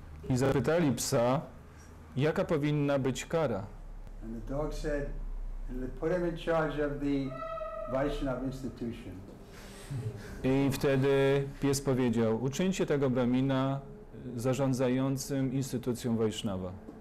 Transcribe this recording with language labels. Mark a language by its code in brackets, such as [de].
[pl] I zapytali psa, jaka powinna być kara. [en] And the dog said, put him in charge of the Vaishnav institution. [pl] I wtedy pies powiedział, uczyńcie tego Brahmina zarządzającym instytucją Vaishnava.